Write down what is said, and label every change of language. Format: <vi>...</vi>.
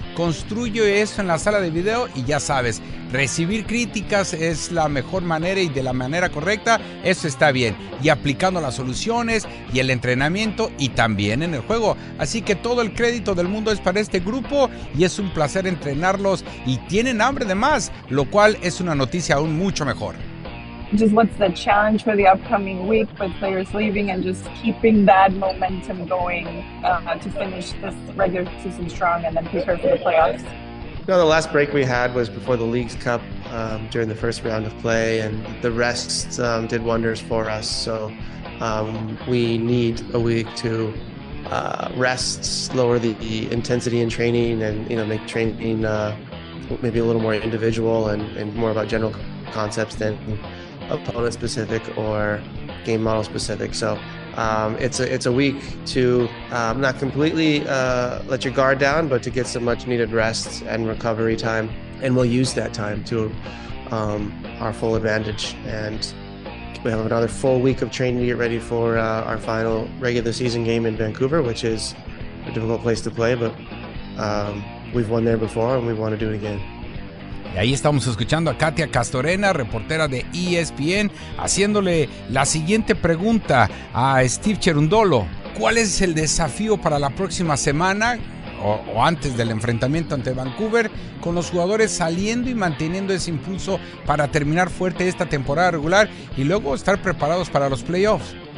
<es>Construyo eso en la sala de video, y ya sabes, recibir críticas es la mejor manera y de la manera correcta, eso está bien, y aplicando las soluciones y el entrenamiento y también en el juego. Así que todo el crédito del mundo es para este grupo, y es un placer entrenarlos, y tienen hambre de más, lo cual es una noticia aún mucho mejor.</es> <en>Just what's the challenge for the upcoming week with players leaving and just keeping that momentum going to finish this regular season strong and then prepare for the playoffs? No, the last break we had was before the League's Cup, during the first round of play, and the rest did wonders for us. So we need a week to rest, lower the intensity in training, and make training maybe a little more individual and more about general concepts than opponent specific or game model specific. So it's a week to not completely let your guard down, but to get some much needed rest and recovery time, and we'll use that time to our full advantage. And we have another full week of training to get ready for our final regular season game in Vancouver, which is a difficult place to play, but we've won there before and we want to do it again.</en> <es>Y ahí estamos escuchando a Katia Castorena, reportera de ESPN, haciéndole la siguiente pregunta a Steve Cherundolo. ¿Cuál es el desafío para la próxima semana o antes del enfrentamiento ante Vancouver, con los jugadores saliendo y manteniendo ese impulso para terminar fuerte esta temporada regular y luego estar preparados para los playoffs?</es>